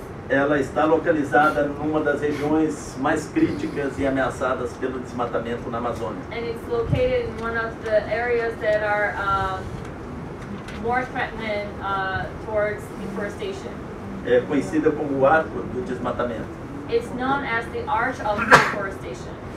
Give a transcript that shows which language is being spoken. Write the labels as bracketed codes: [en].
[pt] Ela está localizada numa das regiões mais críticas e ameaçadas pelo desmatamento na Amazônia. [en] And it's located in one of the areas that are more threatened towards deforestation. [pt] É conhecida como o arco do desmatamento. [en] It's known as the arch of deforestation.